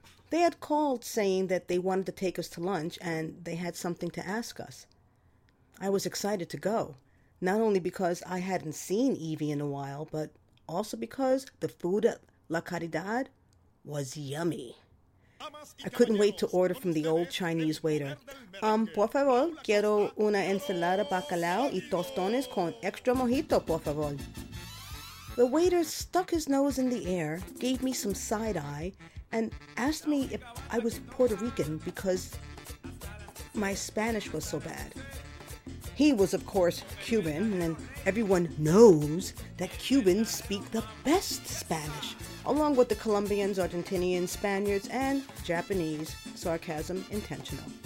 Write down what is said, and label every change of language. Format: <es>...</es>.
<en>They had called saying that they wanted to take us to lunch and they had something to ask us. I was excited to go, not only because I hadn't seen Evie in a while, but also because the food at La Caridad was yummy. I couldn't wait to order from the old Chinese waiter.</en> <es>Por favor, quiero una ensalada bacalao y tostones con extra mojito, por favor.</es> <en>The waiter stuck his nose in the air, gave me some side eye, and asked me if I was Puerto Rican because my Spanish was so bad. He was, of course, Cuban, and everyone knows that Cubans speak the best Spanish, along with the Colombians, Argentinians, Spaniards, and Japanese, sarcasm intentional.</en>